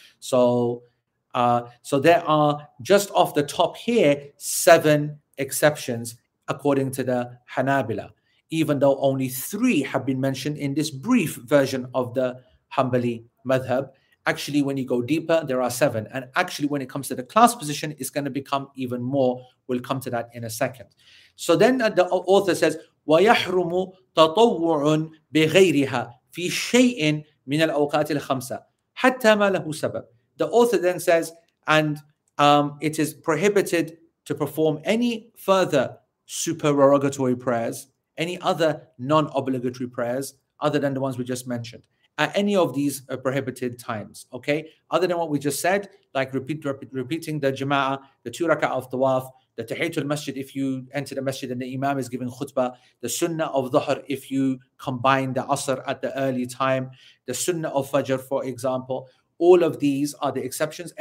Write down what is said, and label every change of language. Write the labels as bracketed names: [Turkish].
[English] So so there are just off the top here, seven exceptions according to the Hanabila, even though only three have been mentioned in this brief version of the Hanbali madhab. Actually, when you go deeper, there are seven. And actually, when it comes to the class position, it's going to become even more. We'll come to that in a second. So then the author says, [Arabic] وَيَحْرُمُ تَطَوُّعٌ بِغَيْرِهَا فِي شَيْءٍ مِنَ الْأَوْقَاتِ الْخَمْسَةِ حَتَّى مَا لَهُ سَبَبٍ. [English] The author then says, and it is prohibited to perform any further supererogatory prayers, any other non-obligatory prayers, other than the ones we just mentioned, at any of these prohibited times, okay? Other than what we just said, like repeating the jama'ah, the two rak'ah of tawaf, the tahiyatul masjid if you enter the masjid and the imam is giving khutbah, the sunnah of dhuhr if you combine the asr at the early time, the sunnah of fajr, for example, all of these are the exceptions.